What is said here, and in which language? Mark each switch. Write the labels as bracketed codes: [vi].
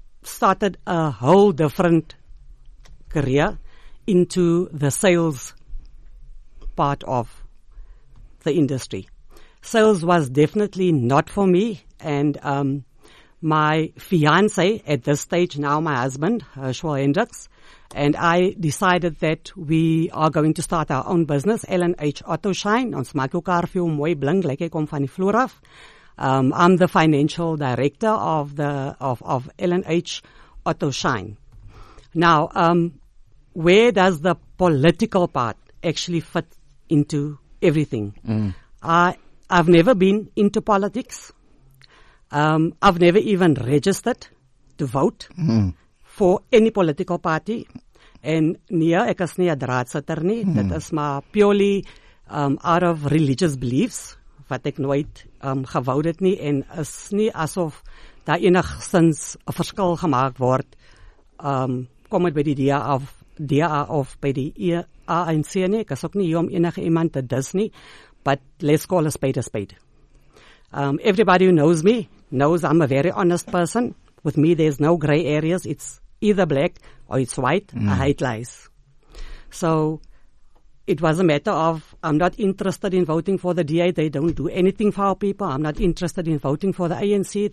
[en] started a whole different career into the sales part of the industry. Sales was definitely not for me, and my fiancé at this stage, now my husband, Herschel Hendricks, and I decided that we are going to start our own business, L&H Autoshine. [af] Ons maak jou kar vir jou mooi blink, lyk ek kom van die vloer af. [en] I'm the financial director of the of L&H Autoshine. Now, where does the political part actually fit into everything? I've never been into politics. I've never even registered to vote for any political party. [af] And nie, ek is nie 'n draadsitter nie. Dit is maar [en] purely out of religious beliefs, [af] wat ek nooit gewou het nie, en is nie asof daar enigszins 'n verskil gemaak word. Kom het by die DA of by die ANC nie. Ek is ook nie hier om enige iemand te dis nie. [en] But let's call a spade a spade. Everybody who knows me knows I'm a very honest person. With me, there's no gray areas. It's either black or it's white. Mm. I hate lies. So it was a matter of, I'm not interested in voting for the DA. They don't do anything for our people. I'm not interested in voting for the ANC.